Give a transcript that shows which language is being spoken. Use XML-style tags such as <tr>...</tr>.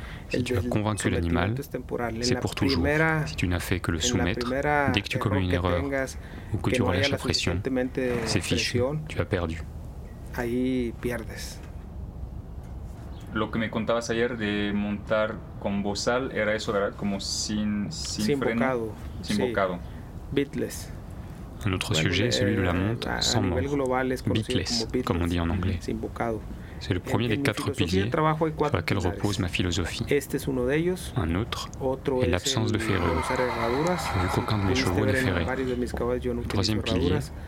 <fr>Si tu as convaincu l'animal, c'est pour toujours. Si tu n'as fait que le soumettre, dès que tu commets une erreur ou que tu relâches la pression, c'est fichu, tu as perdu.</fr> <es>Ahí pierdes. Lo que me contabas ayer de montar con bozal era eso, ¿verdad? Como sin freno, bocado. Sin sí. Bocado.</es> <en>Bitless.</en> <fr>Un autre sujet est celui de la monte sans mort.</fr> <en>Bitless,</en> <fr>comme on dit en anglais.</fr> <es>Sin bocado.</es> <fr>C'est le premier des quatre piliers sur lesquels repose ma philosophie.</fr> <es>Este es uno de ellos.</es> <fr>Un autre est l'absence de ferrure, vu qu'aucun de mes chevaux n'est ferré. Troisième pilier.</fr>